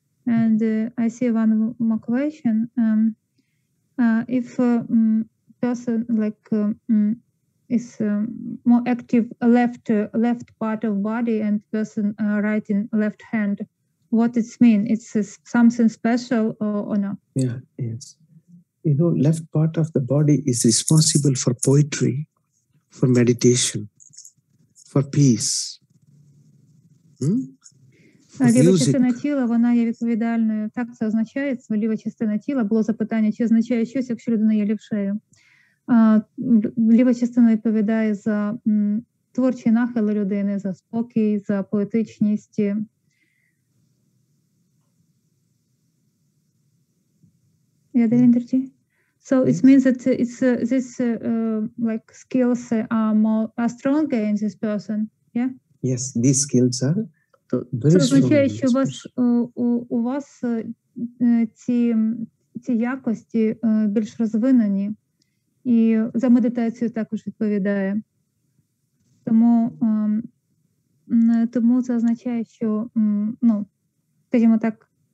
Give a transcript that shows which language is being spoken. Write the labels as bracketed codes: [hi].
[en] And I see one more question. If a person is more active left part of body and person right in left hand, what it mean? It's something special or not? Yeah, yes. You know, left part of the body is responsible for poetry, for meditation, for peace. [uk] Ліва частина тіла, вона є відповідальною. Так це означає, це ліва частина тіла. Було запитання, чи означає щось, якщо людина є лівшею. Ліва частина відповідає за творчі нахили людини, за спокій, за поетичність. [en] Yeah, the energy. So yes. It means that it's these skills are stronger in this person. Yeah. Yes, these skills are very strong. [uk] Це означає, що у вас ці якості більш розвинені, і за медитацію також відповідає. Тому це означає, що скажімо так.